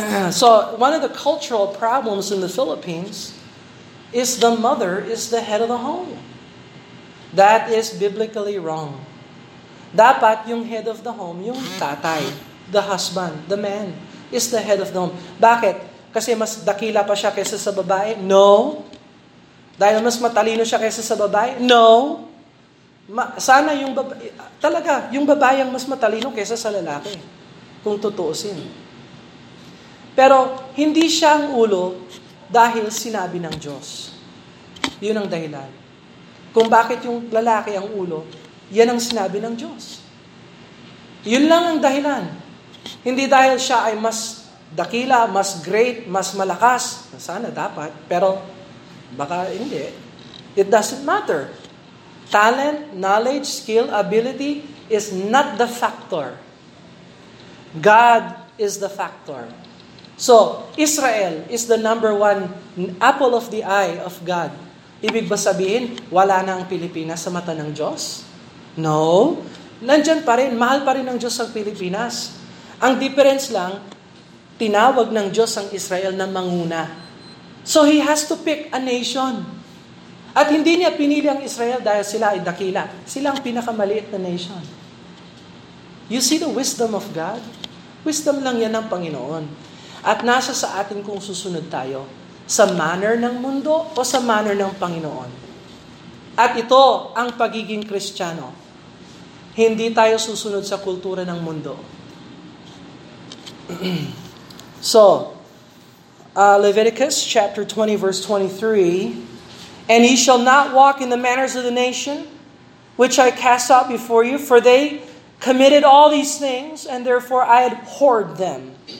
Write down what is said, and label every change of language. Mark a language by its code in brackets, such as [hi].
[en] So, one of the cultural problems in the Philippines is the mother is the head of the home. That is biblically wrong. [tl] Dapat yung [en] head of the home, [tl] yung tatay, [en] the husband, the man, is the head of the home. [tl] Bakit? Kasi mas dakila pa siya kaysa sa babae? No. Dahil mas matalino siya kaysa sa babae? No. Sana yung babae, talaga, yung babae ang mas matalino kaysa sa lalaki. Kung tutuusin. Pero hindi siya ang ulo dahil sinabi ng Diyos. Yun ang dahilan. Kung bakit yung lalaki ang ulo, yan ang sinabi ng Diyos. Yun lang ang dahilan. Hindi dahil siya ay mas dakila, mas great, mas malakas. Sana dapat, pero baka hindi. [en] It doesn't matter. Talent, knowledge, skill, ability is not the factor. God is the factor. So, Israel is the number one apple of the eye of God. [tl] Ibig ba sabihin, wala na ang Pilipinas sa mata ng Diyos? No. Nandyan pa rin, mahal pa rin ng Diyos ang Pilipinas. Ang difference lang, tinawag ng Diyos ang Israel na manguna. [en] So he has to pick a nation. [tl] At hindi niya pinili ang Israel dahil sila ay dakila. Sila ang pinakamaliit na nation. [en] You see the wisdom of God? Wisdom [tl] lang yan ng Panginoon. At nasa sa atin kung susunod tayo sa manner ng mundo o sa manner ng Panginoon. At ito ang pagiging Kristiyano. Hindi tayo susunod sa kultura ng mundo. [en] So, Leviticus chapter 20 verse 23, "And ye shall not walk in the manners of the nation which I cast out before you, for they committed all these things, and therefore I abhorred them."